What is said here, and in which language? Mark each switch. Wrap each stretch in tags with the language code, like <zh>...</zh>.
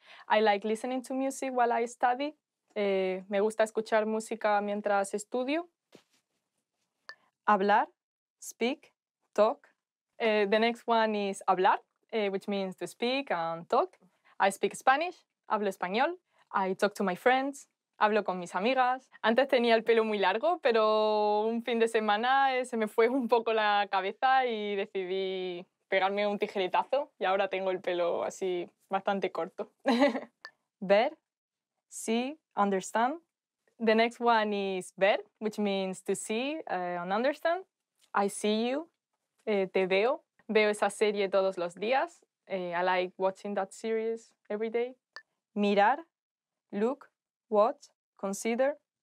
<en>I like listening to music while I study.</en> <es>Me gusta escuchar música mientras estudio.</es> <en>Hablar, speak, talk. The next one is hablar, which means to speak and talk. I speak Spanish,</en> <es>hablo español.</es> <en>I talk to my friends,</en> <es>hablo con mis amigas. Antes tenía el pelo muy largo, pero un fin de semana se me fue un poco la cabeza y decidí pegarme un tijeretazo y ahora tengo el pelo así bastante corto.</es> <en>Ver, see, understand. The next one is ver, which means to see and understand. I see you,</en> <es>te veo. Veo esa serie todos los días.</es> <en>I like watching that series every day. Mirar, look, watch, consider.</en>